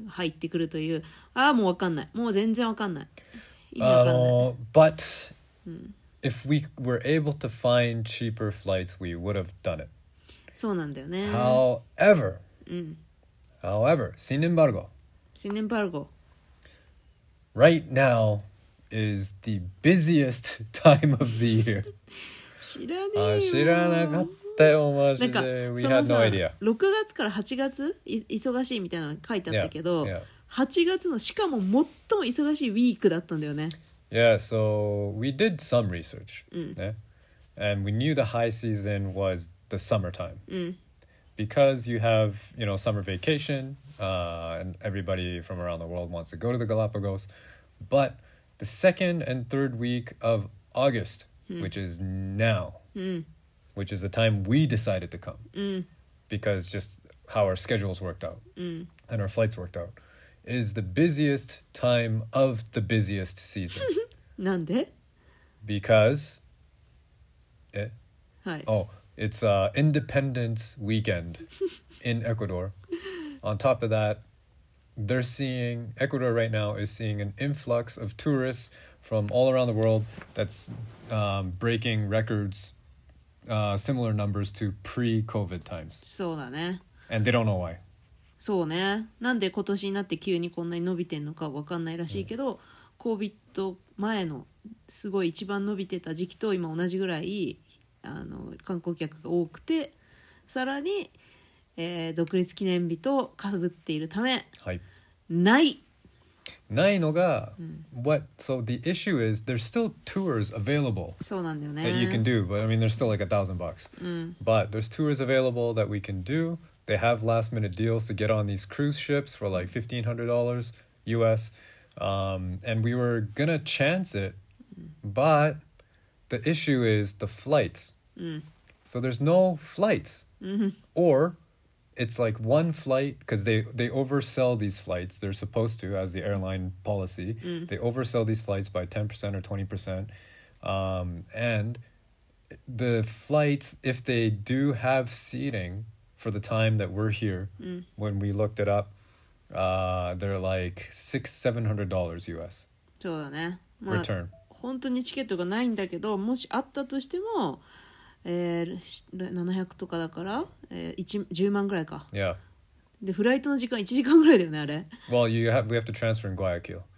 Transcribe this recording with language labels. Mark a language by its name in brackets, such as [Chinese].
[Japanese] 入ってくるというああもう分かんないもう全然分かんない意味分かんない [English] but、うん、if we were able to find cheaper flights we would have done it [Japanese] そうなんだよね [English] however、 [Japanese] うん、 [English] however [Spanish] sin embargo sin embargo [English] right now is the busiest time of the year [Japanese] 知らねえよ知らなかったマジでなんか [English] We had no idea. [Japanese] 6月から8月忙しいみたいなの書いてあったけど [English] yeah, yeah. [Japanese] 8月のしかも最も忙しいウィークだったんだよね [English] Yeah, so we did some research、 [Japanese] うん [English] yeah? And we knew the high season was the summertime、 [Japanese] うん、 [English] Because you have, you know, summer vacation、and everybody from around the world wants to go to the Galapagos But the second and third week of August、 [Japanese] うん、 [English] which is now、 [Japanese] うん [English] Which is the time we decided to come、 [Japanese] うん、 [English] because just how our schedules worked out、 [Japanese] うん、 [English] and our flights worked out is the busiest time of the busiest season. [Japanese] なんで? [English] Because [Japanese] え?はい。 [English] Oh, it's Independence Weekend in Ecuador. On top of that, they're seeing Ecuador right now is seeing an influx of tourists from all around the world that's、breaking records. Similar numbers to pre-COVID times. [Japanese] そうだね。 [English] And they don't know why. [Japanese] そうね。なんで今年になって急にこんなに伸びてんのか分かんないらしいけど、COVID 前のすごい一番伸びてた時期と今同じぐらいあの観光客が多くて、さらに、独立記念日と被っているため、はい、ない。ないのが、 [English] what so the issue is there's still tours available [Japanese] そうなんだよね、 [English] that you can do but I mean there's still like $1,000、 [Japanese] うん、 [English] but there's tours available that we can do they have last minute deals to get on these cruise ships for like $1,500 US and we were gonna chance it but the issue is the flights、 [Japanese] うん、 [English] so there's no flights、 mm-hmm. orIt's like one flight, because they oversell these flights. They're supposed to, as the airline policy.、 Mm. They oversell these flights by 10% or 20%.、and the flights, if they do have seating for the time that we're here,、 mm. when we looked it up,、they're like $600-$700 US. [Japanese] そうだね。 [English] まあ、return. [Japanese] 本当にチケットがないんだけど、もしあったとしても、 700とかだから、10万ぐらいか。 [English] Yeah. [Japanese] で、フライトの時間1時間ぐらいだよね、あれ。 [English] Well, we have to transfer in Guayaquil.